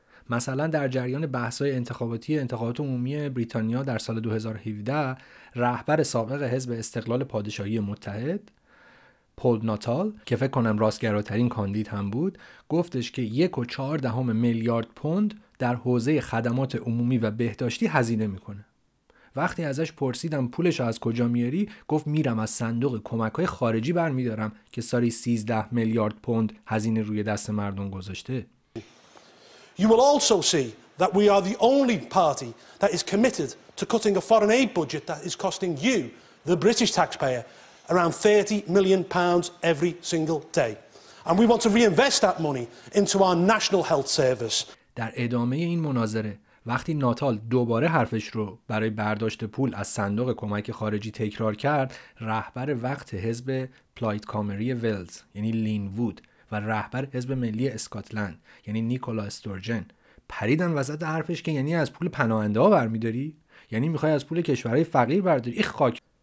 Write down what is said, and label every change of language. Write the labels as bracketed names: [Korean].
[Persian] مثلا در جریان بحث‌های انتخاباتی انتخابات عمومی بریتانیا در سال 2017 رهبر سابق حزب استقلال پادشاهی متحد پول ناتال که فکر کنم راستگراترین کاندید هم بود گفتش که 1.4 میلیارد پوند در حوزه خدمات عمومی و بهداشتی هزینه میکنه. وقتی ازش پرسیدم پولش از کجا میاری گفت میرم از صندوق کمک‌های خارجی برمی‌دارم که ساری 13 میلیارد پوند هزینه روی دست مردم گذاشته. [English] You will also see that we are the only party that is committed to cutting a foreign aid budget that is costing you the British taxpayer around 30 million pounds every single day. And we want to reinvest that money into our national health service. [Persian] در ادامه این مناظره وقتی ناتال دوباره حرفش رو برای برداشت پول از صندوق کمک خارجی تکرار کرد، رهبر وقت حزب پلایت کامری ویلز یعنی لین وود و رهبر حزب ملی اسکاتلند یعنی نیکولا استورجن پریدن وسط حرفش که یعنی از پول پناهنده ها برمیداری؟ یعنی میخوای از پول کشورهای فقیر برداری؟ ایخ خاک!